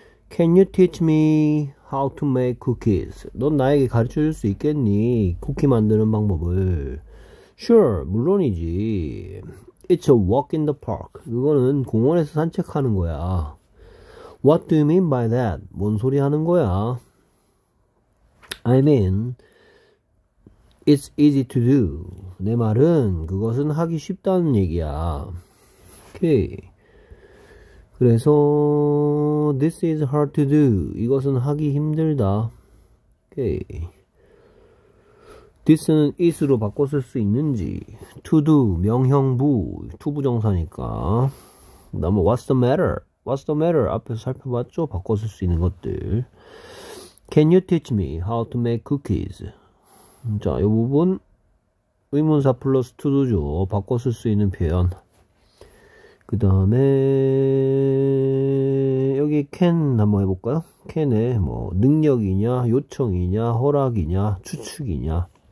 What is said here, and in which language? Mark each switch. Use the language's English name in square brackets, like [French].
[English] Can you teach me how to make cookies? [Korean] 넌 나에게 가르쳐 줄수 있겠니? 쿠키 만드는 방법을. [English] Sure, [Korean] 물론이지. [English] It's a walk in the park. [Korean] 그거는 공원에서 산책하는 거야. [English] What do you mean by that? [Korean] 뭔 소리 하는 거야? [English] I mean, it's easy to do. [Korean] 내 말은 그것은 하기 쉽다는 얘기야. [English] Okay. [Korean] 그래서 [English] this is hard to do. [Korean] 이것은 하기 힘들다. [English] Okay. [Korean] This는 is로 바꿔 쓸수 있는지. To do 명형부 to 부정사니까. 그다음에 [English] what's the matter? What's the matter? [Korean] 앞에서 살펴봤죠? 바꿔 쓸수 있는 것들. [English] Can you teach me how to make cookies? [Korean] 자, 이 부분 의문사 플러스 to도죠. 바꿔 쓸수 있는 표현. 그다음에 여기 can 한번 해볼까요? can에 뭐 능력이냐, 요청이냐, 허락이냐, 추측이냐.